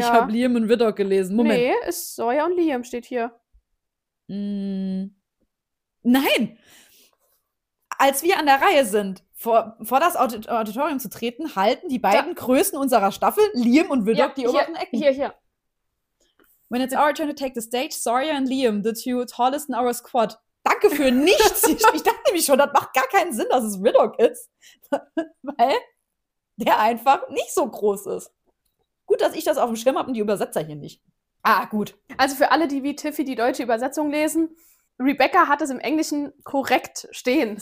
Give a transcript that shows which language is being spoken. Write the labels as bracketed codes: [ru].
[de] Ich habe Liam und Widdock gelesen. Moment. Nee, ist Sawyer und Liam, steht hier. Nein! Als wir an der Reihe sind, vor das Auditorium zu treten, halten die beiden Größen unserer Staffel, Liam und Widdock, ja, die oberen Ecken. Hier. [en] When it's our turn to take the stage, Sawyer and Liam, the two tallest in our squad. [de] Danke für nichts. Ich dachte nämlich schon, das macht gar keinen Sinn, dass es Widdock ist. Weil der einfach nicht so groß ist. Gut, dass ich das auf dem Schirm habe und die Übersetzer hier nicht. Ah, gut. Also für alle, die wie Tiffy die deutsche Übersetzung lesen, Rebecca hat es im Englischen korrekt stehen.